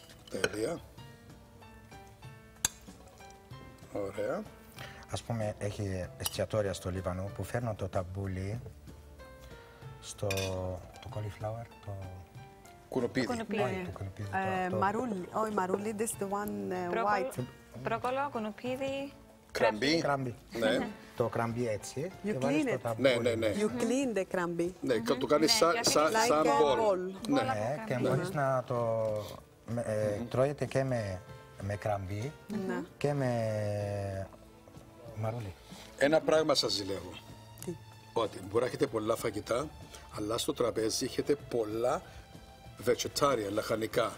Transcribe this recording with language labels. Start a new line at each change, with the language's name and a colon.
Greek: Τέλεια. Ωραία. Ας πούμε, έχει εστιατόρια στο Λίβανο που φέρνω το ταμπούλι στο το cauliflower, το... Κουνουπίδι. Μαρούλι, όχι μαρούλι,
English: this is the one white.
Greek: Πρόκολο, κουνουπίδι. Κραμπί. Κραμπί. Ναι. Το κραμπί έτσι.
English: You clean it.
Greek: Ναι, ναι, ναι.
English: You clean the κραμπί.
Greek: Ναι, mm-hmm. το κάνεις σαν μπολ. Ναι, και μπορείς να το τρώγεται και με κραμπί και με μαρούλι. Ένα πράγμα σας ζηλεύω. Ότι μπορεί να έχετε πολλά φαγητά, αλλά στο τραπέζι έχετε πολλά βετσετάρια, λαχανικά.